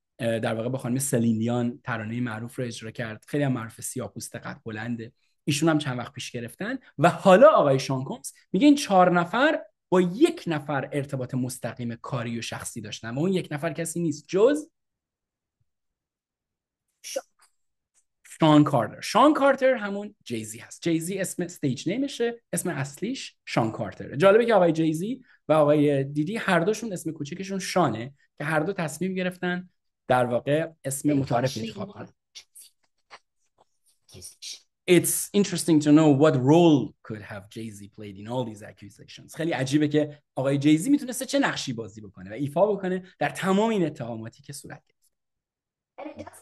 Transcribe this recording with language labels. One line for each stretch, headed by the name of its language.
Persian: در واقع با خانم سلیندیان ترانه معروف رو اجرا کرد، خیلی هم معروف، سیاه‌پوست قد بلنده، ایشون هم چند وقت پیش گرفتن، و حالا آقای شان کومز میگه این چهار نفر با یک نفر ارتباط مستقیم کاری و شخصی داشتن و اون یک نفر کسی نیست جز شان کارتر. شان کارتر همون جیزی هست. جیزی اسم استیج نیمشه، اسم اصلیش شان کارتره. جالبه که آقای جیزی و آقای دیدی هر دوشون اسم کوچیکشون شانه، که هر دو تصمیم گرفتن در واقع اسم متعارف انتخاب کنن.
English: It's interesting to know what role could have Jay-Z played in all these accusations.
Persian: خیلی عجیبه که آقای جیزی میتونسته چه نقشی بازی بکنه و ایفا بکنه در تمام این اتهاماتی که صورت گرفت.